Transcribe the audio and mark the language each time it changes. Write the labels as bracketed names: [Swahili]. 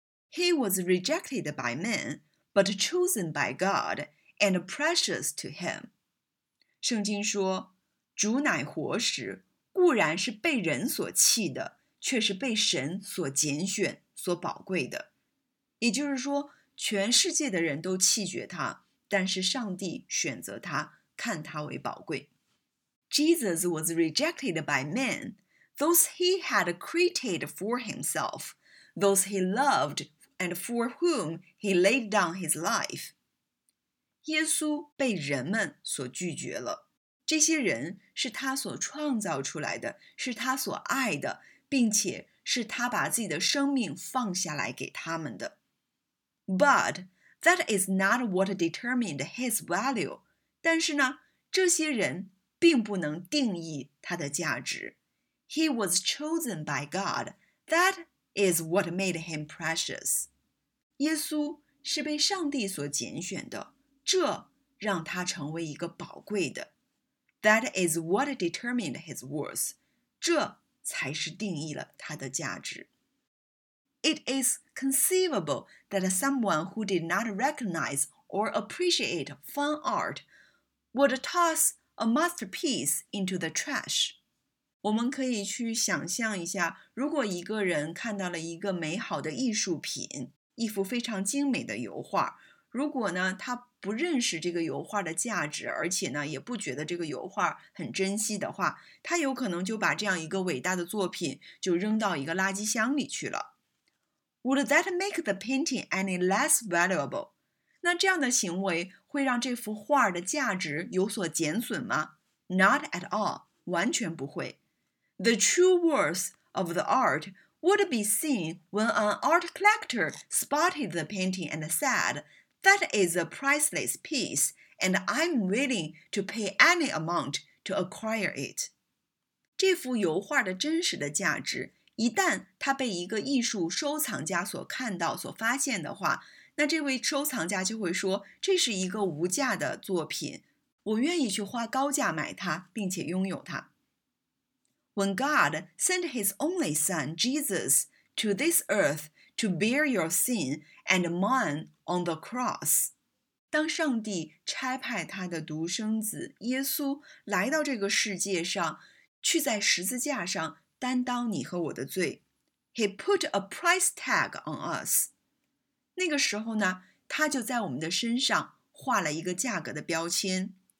[English] He was rejected by men, but chosen by God, and precious to him. [Chinese] 圣经说，主乃活石，固然是被人所弃的，却是被神所拣选，所宝贵的。也就是说，全世界的人都弃绝他，但是上帝选择他，看他为宝贵。 [English] Jesus was rejected by men, those he had created for himself, those he loved and for whom he laid down his life. [Chinese] 耶稣被人们所拒绝了，这些人是他所创造出来的，是他所爱的，并且是他把自己的生命放下来给他们的。 [English] But that is not what determined his value. [Chinese] 但是呢，这些人并不能定义他的价值。 [English] He was chosen by God. That is what made him precious. [Chinese] 耶稣是被上帝所拣选的，这让他成为一个宝贵的。 [English] That is what determined his worth. [Chinese] 这才是定义了他的价值。 [English] It is conceivable that someone who did not recognize or appreciate fine art would toss a masterpiece into the trash. [Chinese] 我们可以去想象一下，如果一个人看到了一个美好的艺术品，一幅非常精美的油画，如果呢，他不认识这个油画的价值，而且呢，也不觉得这个油画很珍惜的话，他有可能就把这样一个伟大的作品就扔到一个垃圾箱里去了。 [English] Would that make the painting any less valuable? [Chinese] 那这样的行为会让这幅画的价值有所减损吗？ [English] Not at all, [Chinese] 完全不会。 [English] The true worth of the art would be seen when an art collector spotted the painting and said, that is a priceless piece, and I'm willing to pay any amount to acquire it. [Chinese] 这幅油画的真实的价值，一旦它被一个艺术收藏家所看到、所发现的话，那这位收藏家就会说，这是一个无价的作品，我愿意去花高价买它，并且拥有它。 [English] When God sent his only son, Jesus, to this earth to bear your sin and mine on the cross. [Chinese] 当上帝差派他的独生子耶稣来到这个世界上，去在十字架上担当你和我的罪。 [English] He put a price tag on us. [Chinese] 那个时候呢，他就在我们的身上画了一个价格的标签。